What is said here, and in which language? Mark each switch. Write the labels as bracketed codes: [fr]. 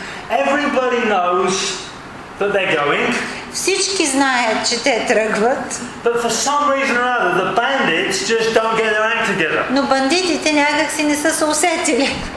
[en] Everybody knows that they're going. [bg] Всички знаят, че те тръгват. [en] But for some reason or other, the bandits just don't get their act together. [bg] Но бандитите някак си не са се усетили.